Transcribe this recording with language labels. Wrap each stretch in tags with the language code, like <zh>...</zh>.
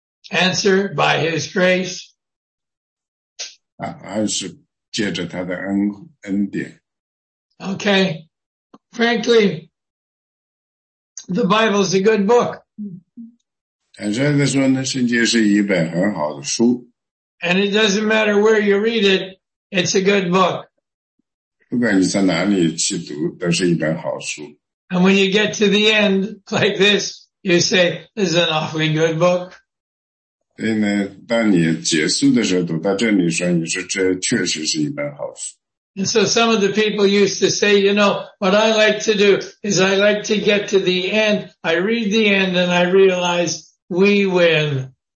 <en>Answer by his grace.</en> <zh>啊，还是借着他的恩典。</zh> <en>Okay. Frankly, the Bible is a good book.</en> <zh>坦率地说呢, 圣经是一本很好的书。</zh> <en>And it doesn't matter where you read it, it's a good book.</en> <zh>不管你在哪里去读, 都是一本好书。</zh> <en>And when you get to the end like this, you say, this is an awfully good book.</en> <zh>所以呢, 当你结束的时候, 读到这里说, 你说, 这确实是一本好书。</zh> <en>And so some of the people used to say, you know, what I like to do is I like to get to the end. I read the end and I realize we win.</en>